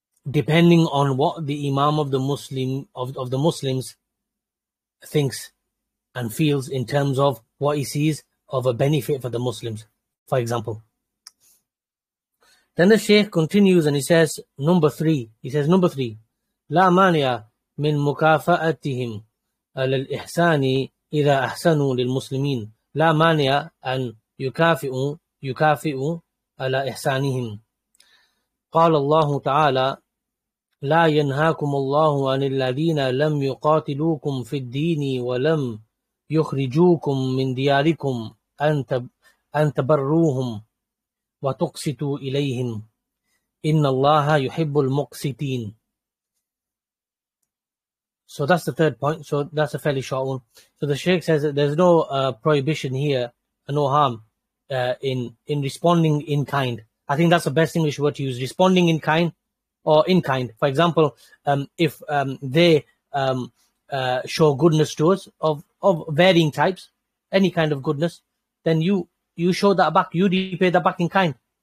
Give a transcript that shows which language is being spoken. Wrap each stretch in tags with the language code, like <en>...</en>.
<en>Depending on what the Imam of the Muslims thinks and feels in terms of what he sees of a benefit for the Muslims, for example. Then the Shaykh continues and he says, number three,</en> <ar>لا مانع من مكافأتهم على الإحسان إذا أحسنوا للمسلمين. لا مانع أن يكافئوا على إحسانهم. قال الله تعالى لا ينهاكم الله عن الذين لم يقاتلوكم في الدين ولم يخرجوكم من دياركم أن تبروهم وتقسطوا إليهم إن الله يحب المقسطين.</ar> <en>So that's the third point. So that's a fairly short one. So the Shaykh says that there's no prohibition here, no harm in responding in kind. I think that's the best English word to use, responding in kind or in kind. For example, if they show goodness to us of varying types, any kind of goodness, then you show that back, you repay that back in kind.</en>